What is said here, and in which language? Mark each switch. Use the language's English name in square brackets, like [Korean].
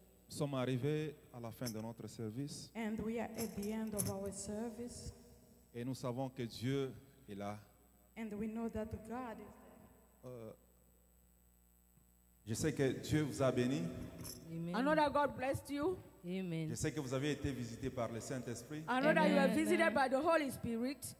[French] Nous sommes arrivés à la fin de notre service. [English] And we are at the end of our service. [French] Et nous savons que Dieu est là. [English] And we know that God is there. [French] Je sais que Dieu vous a béni. [English] Amen. I know that God blessed you. Amen. [French] Je sais que vous avez été visité par le Saint-Esprit. [English] I know that you were visited by the Holy Spirit.